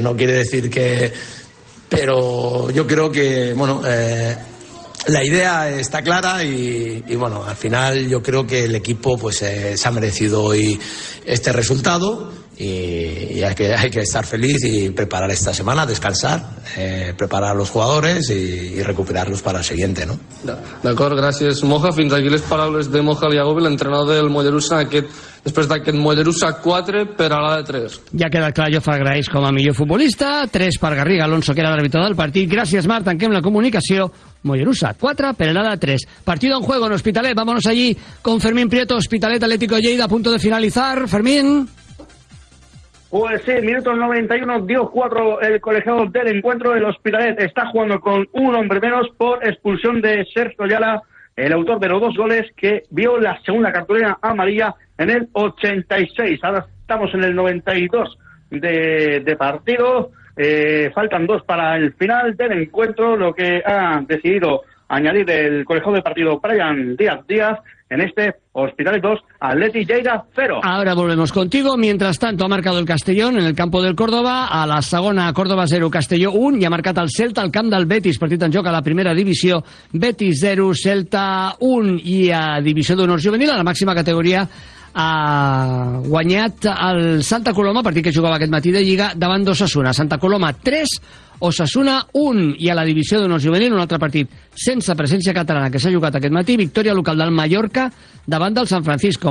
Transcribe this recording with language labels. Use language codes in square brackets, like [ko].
[es] No quiere decir que... Pero yo creo que, bueno, la idea está clara y, bueno, al final yo creo que el equipo pues se ha merecido hoy este resultado y hay que estar feliz y preparar esta semana, descansar, preparar a los jugadores y recuperarlos para el siguiente, ¿no? [ca] D'acord, gràcies, Moja. Fins aquí les paraules de Moja Liagov, l'entrenador del Mollerussa, després d'aquest Mollerussa 4 per a la de 3. Ja queda clar, jo fa agraeix com a millor futbolista, 3 per Garriga Alonso, que era l'àrbitre del partit. Gràcies, Marc, tanquem la comunicació. Mollerussa 4 per a la de 3. [es] Partido en juego en Hospitalet, vámonos allí con Fermín Prieto, Hospitalet Atlético Lleida, a punto de finalizar. Fermín. Pues sí, minuto 91, dio 4 el colegiado del encuentro. El Hospitalet está jugando con un hombre menos por expulsión de Sergio Ayala, el autor de los dos goles, que vio la segunda cartulina amarilla en el 86. Ahora estamos en el 92 de partido. Faltan 2 para el final del encuentro. Lo que ha decidido añadir el colegiado de partido, Brian Díaz, en este Hospitalet 2, Atleti Lleida 0. Ahora volvemos contigo. Mientras tanto, ha marcado el Castellón en el campo del Córdoba. [ca] A la segona, Córdoba 0, Castelló 1. Y ha marcat el Celta al camp del Betis. Partit en joc a la primera divisió. Betis 0, Celta 1. I a divisió d'honors juvenil, a la màxima categoria, ha guanyat el Santa Coloma, partit que jugava aquest matí de Lliga, davant d'Osasuna. Santa Coloma 3, Osasuna 1. I a la divisió d'honors juvenil, un altre partit sense presència catalana que s'ha jugat aquest matí, victòria local del Mallorca davant del San Francisco.